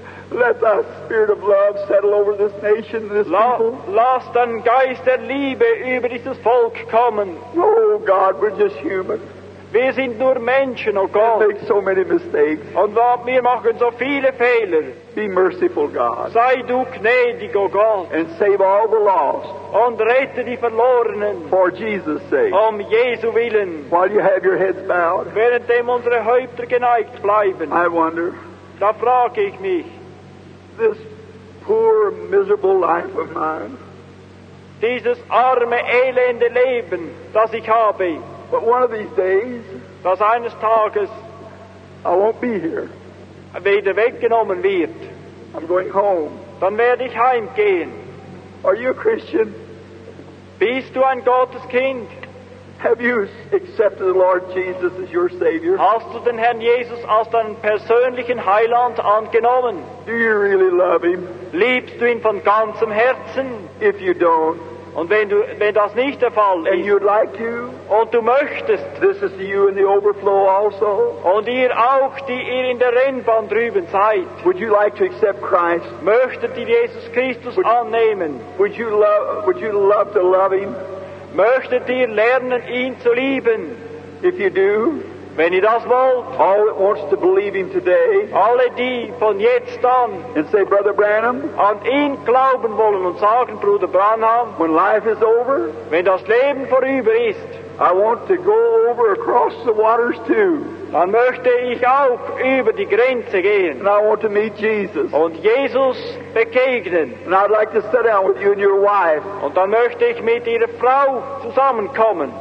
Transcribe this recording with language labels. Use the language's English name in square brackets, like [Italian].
[English] Let thy spirit of love settle over this nation, this people. [German] Lass dein Geist der Liebe über dieses Volk kommen. [English] Oh God, we're just human. [German] Wir sind nur Menschen, oh Gott. [English] We make so many mistakes. [German] Und wir machen so viele Fehler. [English] Be merciful, God. [German] Sei du gnädig, oh Gott. [English] And save all the lost. [German] Und rette die Verlorenen. [English] For Jesus' sake. [German] Um Jesu willen. [English] While you have your heads bowed. [German] Währenddem unsere Häupter geneigt bleiben. [English] I wonder. [German] Da frage ich mich. [English] This poor, miserable life of mine. [German] Dieses arme, elende Leben, das ich habe. [English] But one of these days, [German] dass eines Tages, [English] I won't be here. [German] Wieder weggenommen wird. [English] I'm going home. [German] Dann werde ich heimgehen. [English] Are you a Christian? [German] Bist du ein Gotteskind? [English] Have you accepted the Lord Jesus as your Savior? [German] Hast du den Herrn Jesus als deinen persönlichen Heiland angenommen? [English] Do you really love him? [German] Liebst du ihn von ganzem Herzen? [English] If you don't. [German] Und wenn das nicht der Fall ist, [English] and you'd like to, [German] und du möchtest, [English] this is you in the overflow also, [German] und ihr auch, die ihr in der Rennbahn drüben seid, [English] would you like to accept Christ? [German] Möchtet ihr Jesus Christus annehmen? [English] Would you love to love him? [German] Möchtet ihr lernen, ihn zu lieben? [English] If you do, [German] wenn ihr das wollt, [English] all that wants to believe him today, [German] alle die von jetzt an, [English] and say, Brother Branham, [German] an ihn glauben wollen und sagen, Bruder Branham, [English] when life is over, [German] wenn das Leben vorüber ist, [English] I want to go over across the waters too. [German] Dann möchte ich auch über die Grenze gehen. [English] And I want to meet Jesus. [German] Und Jesus begegnen. [English] And I'd like to sit down with you and your wife. [German] Und dann möchte ich mit ihrer Frau zusammenkommen.